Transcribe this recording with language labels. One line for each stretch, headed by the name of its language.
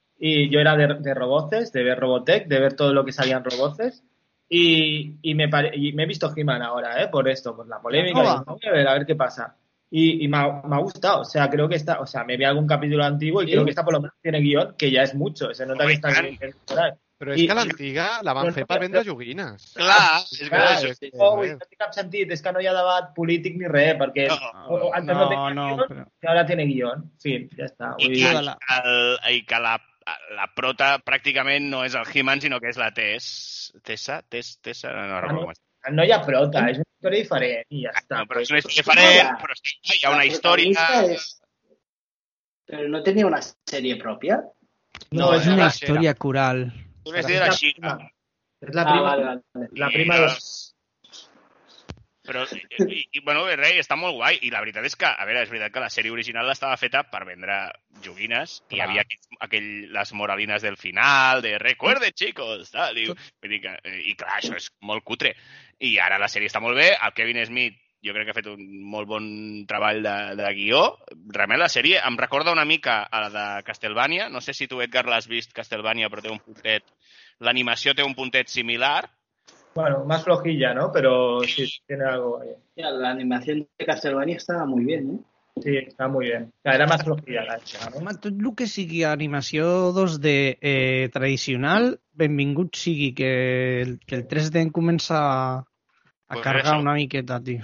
Spanish: Y yo era de Roboces, de ver Robotech, de ver todo lo que salían Roboces. Y me he visto He-Man ahora, por esto, por la polémica. A ver qué pasa. Y me ha gustado, o sea, creo que está, o sea, me vi algún capítulo antiguo y creo que está por lo menos tiene guión, que ya es mucho, se nota que está bien.
Catalan: Pero es que la antiga la van fer per vendre joguines. Clar, és que això. No té cap sentit, és que no hi ha debat polític ni res, perquè
Spanish: antes no tenia guión,
Catalan: que ara
Spanish: tiene guión,
Catalan: sí, ja està. I que la prota pràcticament no és el He-Man, sinó que és la Tessa, no recordo com està. No hi ha prota, és una història diferent i ja està. No, però és una història diferent, però sí, hi ha una història... Però no tenia una sèrie pròpia?
Spanish: No, no, es una historia coral. Es vestido de la chica. Es la prima. Vale. La prima de los...
Catalan: Però, i bueno, rei, està molt guai. I la veritat és que, a veure, és veritat que la sèrie original estava feta per vendre joguines. Clar. I hi havia les moralines del final, de
Spanish: recuerde, chicos,
Catalan: tal. I clar, això és molt cutre. I ara la sèrie està molt bé. El Kevin Smith, jo crec que ha fet un molt bon treball de guió. Realment, la sèrie em recorda una mica a la de Castlevania. No sé si tu, Edgar, l'has vist, Castlevania, però té un puntet... L'animació té un puntet similar...
Spanish: Bueno, más flojilla, ¿no? Pero sí, tiene algo ahí. La animación de Castlevania estaba muy bien, ¿eh? Sí, está muy bien. Era más flojilla la hecha, ¿no?
Catalan: Tot el que sigui animació 2D tradicional, benvingut sigui, que el 3D comença a cargar una miqueta, tio.